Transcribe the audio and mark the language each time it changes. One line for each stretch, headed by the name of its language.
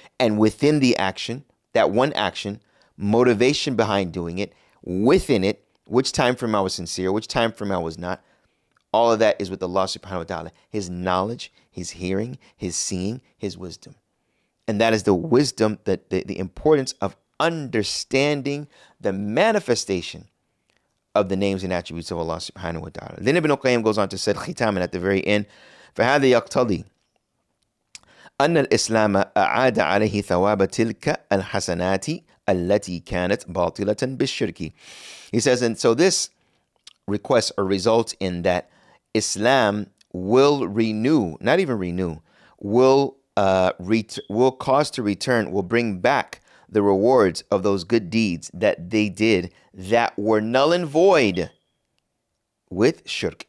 English: And within the action, that one action, motivation behind doing it, within it, which time frame I was sincere, which time frame I was not. All of that is with Allah subhanahu wa ta'ala. His knowledge, his hearing, his seeing, his wisdom. And that is the wisdom, that the importance of understanding the manifestation of the names and attributes of Allah subhanahu wa ta'ala. Then Ibn Qayyim goes on to say khitaman at the very end,
Arabic: فَهَذَا يَقْتَضِي أَنَّ الْإِسْلَامَ أَعَادَ عَلَيْهِ ثَوَابَ تِلْكَ الْحَسَنَاتِ الَّتِي كَانَتْ بَاطِلَةً بِالشِّرْكِ.
English: He says, and so this request or result in that Islam will renew, not even renew, will cause to return, will bring back the rewards of those good deeds that they did that were null and void with shirk.